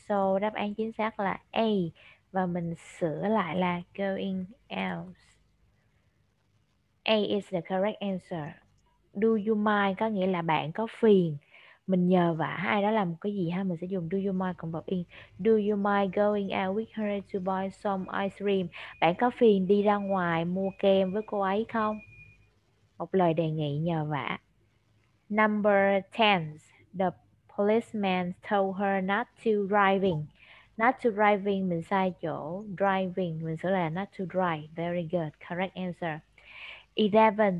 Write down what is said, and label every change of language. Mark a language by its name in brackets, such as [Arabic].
[Vietnamese] So đáp án chính xác là A và mình sửa lại là [English] going out. A is the correct answer. Do you mind [Vietnamese] có nghĩa là bạn có phiền, mình nhờ vả ai đó làm cái gì ha, mình sẽ dùng [English] do you mind [Vietnamese] cộng verb in. [English] Do you mind going out with her to buy some ice cream? [Vietnamese] Bạn có phiền đi ra ngoài mua kem với cô ấy không? Một lời đề nghị nhờ vả. [English] Number 10. The policeman told her not to driving. Not to driving [Vietnamese] mình sai chỗ. [English] Driving [Vietnamese] mình sẽ là [English] not to drive. Very good. Correct answer. 11.